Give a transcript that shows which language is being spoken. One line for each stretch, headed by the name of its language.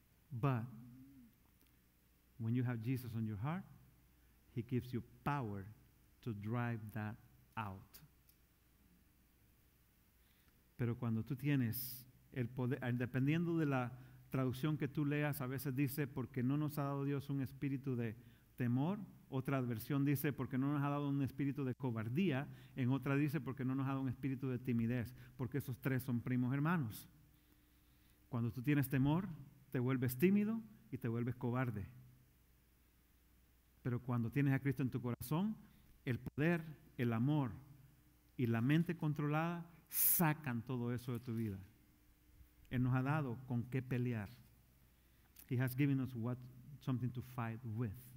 English: But when you have Jesus on your heart, he gives you power to drive that out.
Spanish: Pero cuando tú tienes el poder, dependiendo de la traducción que tú leas, a veces dice, porque no nos ha dado Dios un espíritu de temor. Otra versión dice, porque no nos ha dado un espíritu de cobardía. En otra dice, porque no nos ha dado un espíritu de timidez. Porque esos tres son primos hermanos. Cuando tú tienes temor, te vuelves tímido y te vuelves cobarde. Pero cuando tienes a Cristo en tu corazón, el poder, el amor y la mente controlada sacan todo eso de tu vida. Él nos ha dado con qué pelear.
English: He has given us what, something to fight with.